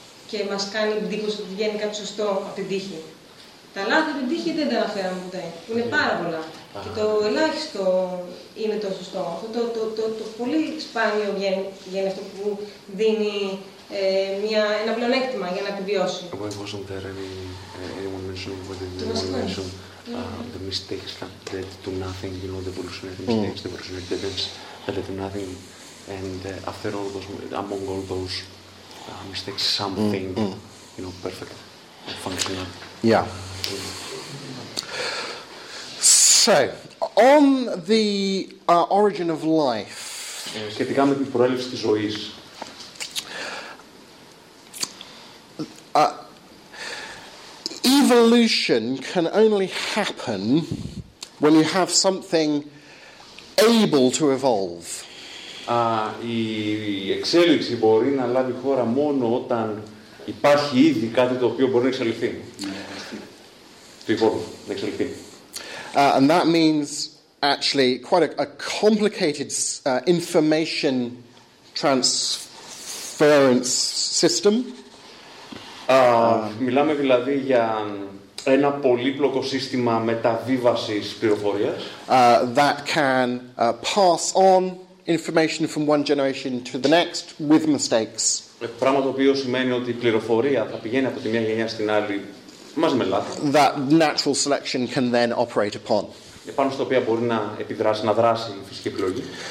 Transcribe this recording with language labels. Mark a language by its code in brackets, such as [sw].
[el] Και μας κάνει εντύπωση ότι βγαίνει κάτι σωστό από την τύχη. Τα λάθη από την τύχη δεν τα αναφέραμε ποτέ. Που είναι πάρα πολλά. Και το ελάχιστο είναι το σωστό. Αυτό το πολύ σπάνιο βγαίνει αυτό που δίνει. Ένα πλεονέκτημα για να επιβιώσει. [en] When I wasn't there, anyone mentioned what they mentioned. The mistakes that led to nothing, you know, the evolutionary mistakes, the evolutionary events that led to nothing. And after all those, among all those mistakes, something, you know, perfect, functional. Yeah. So, on the origin of life. [el] Σχετικά με την προέλευση της ζωής. [en] Evolution can only happen when you have something able to evolve. [el] Η εξέλιξη μπορεί να λάβει χώρα μόνο όταν υπάρχει ήδη κάτι το οποίο μπορεί να εξελιχθεί. Το υπόλοιπο, να εξελιχθεί. [en] And that means actually quite a complicated information transference system. [el] Μιλάμε δηλαδή για ένα πολύπλοκο σύστημα μεταβίβασης πληροφορίας. [en] That can pass on information from one generation to the next with mistakes. [el] Πράγμα το οποίο σημαίνει ότι η πληροφορία θα πηγαίνει από τη μια γενιά στην άλλη μαζί με λάθη. [en] That natural selection can then operate upon. [el] Επάνω στο οποίο μπορεί να επιδράσει, να δράσει η φυσική επιλογή.